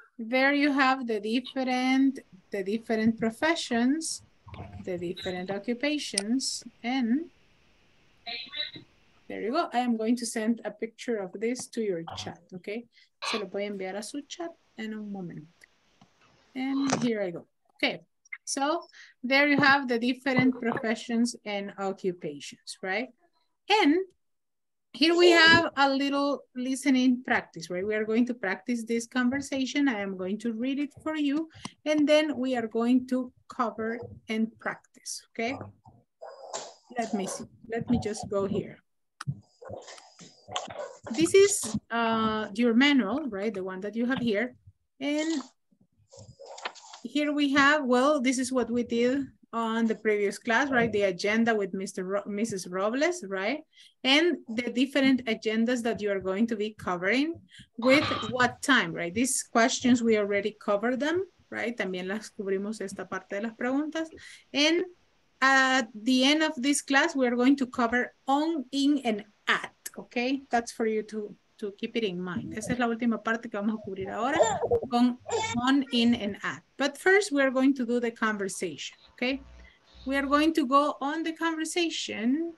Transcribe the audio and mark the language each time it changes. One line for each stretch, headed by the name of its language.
English: There you have the different professions, the different occupations, and there you go. I am going to send a picture of this to your chat, okay?
Spanish: Se lo voy a enviar a su chat en un momento.
English: And here I go. Okay, so there you have the different professions and occupations, right? And here we have a little listening practice, right? We are going to practice this conversation. I am going to read it for you, and then we are going to cover and practice, okay? Let me see. Let me just go here. This is your manual, right? The one that you have here. And here we have, well, this is what we did on the previous class, right? The agenda with Mrs. Robles, right? And the different agendas that you are going to be covering with what time, right? These questions, we already covered them. right?
Spanish: También las cubrimos esta parte de las preguntas.
English: And at the end of this class, we are going to cover on, in, and at, okay? That's for you to keep it in mind.
Spanish: Esa es la última parte que vamos a cubrir ahora con
English: on, in, and at. But first, we are going to do the conversation, okay? We are going to go on the conversation.